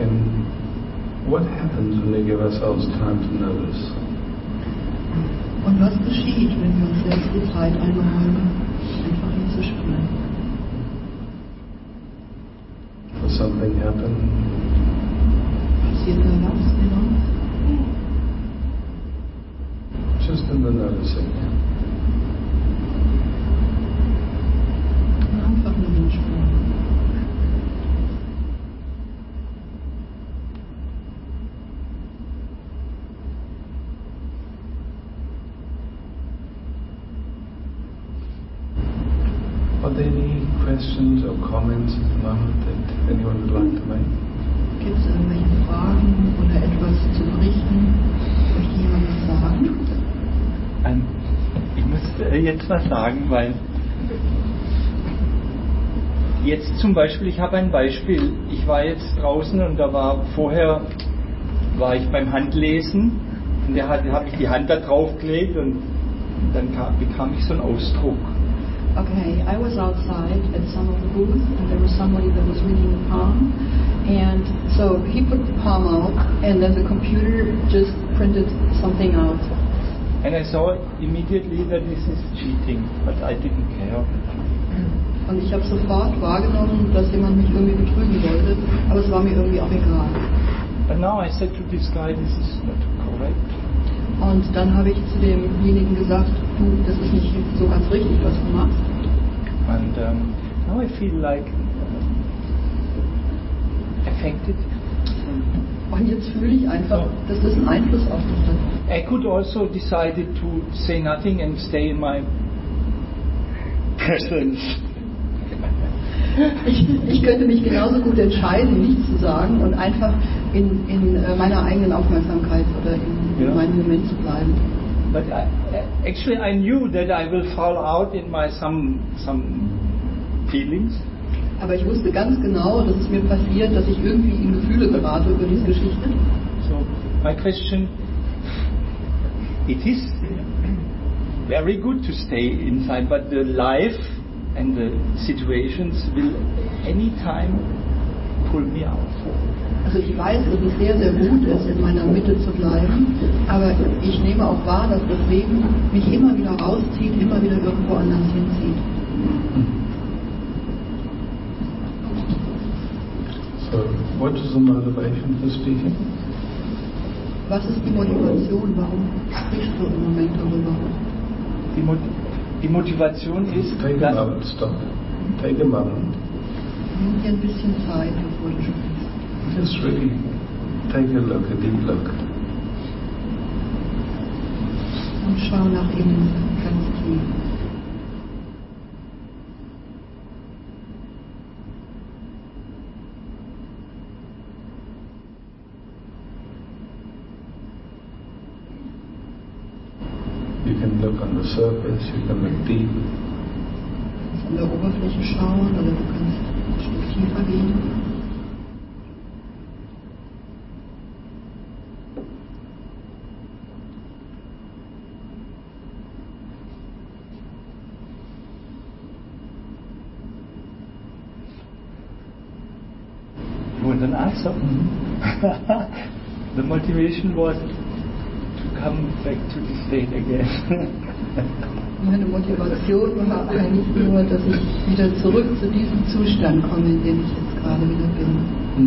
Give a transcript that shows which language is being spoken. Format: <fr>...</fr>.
<en>And what happens when we give ourselves time to notice?</en> <de>Und was geschieht, wenn wir uns selbst die Zeit einräumen, einfach hinzuspüren?</de> <en>Something happen.</en> <de>Passiert mal was, genau.</de> <en>Just in the noticing.</en> <de>Einfach nur den Spuren.</de> <en>Are there any questions or comments at the moment that anyone would like to make?</en> <de>Gibt es irgendwelche Fragen oder etwas zu berichten? Möchte jemand was sagen? Ich müsste jetzt was sagen, weil jetzt zum Beispiel, ich habe ein Beispiel. Ich war jetzt draußen und da war vorher, war ich beim Handlesen und da habe ich die Hand da drauf gelegt und dann bekam ich so einen Ausdruck.</de> <en>Okay, I was outside at some of the booths, and there was somebody that was reading the palm, and so he put the palm out, and then the computer just printed something out. And I saw immediately that this is cheating, but I didn't care.</en> <de>Und ich habe sofort wahrgenommen, dass jemand mich irgendwie betrügen wollte, aber es war mir irgendwie auch egal.</de> <en>But now I said to this guy, this is not correct.</en> <de>Und dann habe ich zu demjenigen gesagt, du, das ist nicht so ganz richtig, was du machst.</de> <en>And now I feel like affected.</en> <de>Und jetzt fühle ich einfach, so, dass das einen Einfluss auf mich hat.</de> <en>I could also decide to say nothing and stay in my presence.</en> <de>Ich könnte mich genauso gut entscheiden, nichts zu sagen und einfach in meiner eigenen Aufmerksamkeit oder in meinem Moment zu bleiben.</de> <en>But I knew that I will fall out in my some feelings.</en> <de>Aber ich wusste ganz genau, dass es mir passiert, dass ich irgendwie in Gefühle gerate über diese Geschichte.</de> <en>So, my question, it is very good to stay inside, but the life and the situations will any time pull me out.</en> <de>Also ich weiß, dass es sehr, sehr gut ist, in meiner Mitte zu bleiben, aber ich nehme auch wahr, dass das Leben mich immer wieder rauszieht, immer wieder irgendwo anders hinzieht.</de> <en>So, what is the motivation for speaking?</en> <de>Was ist die Motivation? Warum sprichst du im Moment darüber? Die Motivation ist,</de> <en>take a moment, stop. Take a moment.</en> <de>Nimm dir ein bisschen Zeit, bevor du sprichst.</de> <en>Just really take a look, a deep look.</en> <de>Und schau nach innen, ganz tief.</de> <en>On the surface, you can look deep.</en> <de>An der Oberfläche schauen oder du kannst ein Stück tiefer gehen.</de> <en>You want an answer? Mm-hmm. The motivation was come back to the state again.</en> <de>Meine Motivation war eigentlich nur, dass ich wieder zurück zu diesem Zustand komme, in dem ich jetzt gerade wieder bin.</de>